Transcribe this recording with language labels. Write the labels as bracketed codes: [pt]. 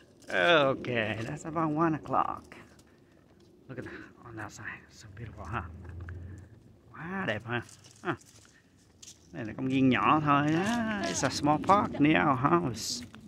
[en] Okay, that's about 1 o'clock. Look at that on that side. So beautiful, huh? [vi] Quá đẹp ha. Đây là công viên nhỏ thôi á. [en] It's a small park near our house.